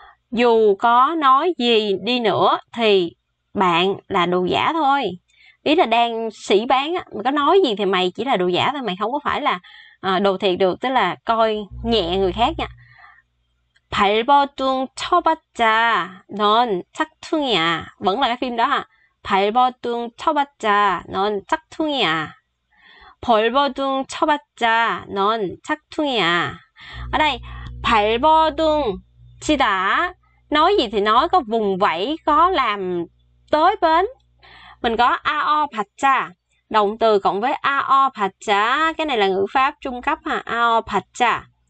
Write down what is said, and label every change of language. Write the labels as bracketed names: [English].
[Vietnamese] Dù có nói gì đi nữa thì bạn là đồ giả thôi, ý là đang sỉ bán á, mà có nói gì thì mày chỉ là đồ giả thôi, mày không có phải là đồ thiệt được, tức là coi nhẹ người khác nha. [Korean] 발버둥 쳐봤자 넌 짝퉁이야, [Vietnamese] vẫn là cái phim đó ha. [Korean] 발버둥 쳐봤자 넌 짝퉁이야, 벌버둥 쳐봤자 넌 짝퉁이야. [Vietnamese] Ở đây 발버둥 치다, nói gì thì nói, có vùng vẫy, có làm tới bến. Mình có ao pacha, động từ cộng với ao pacha, cái này là ngữ pháp trung cấp ha. Ao pacha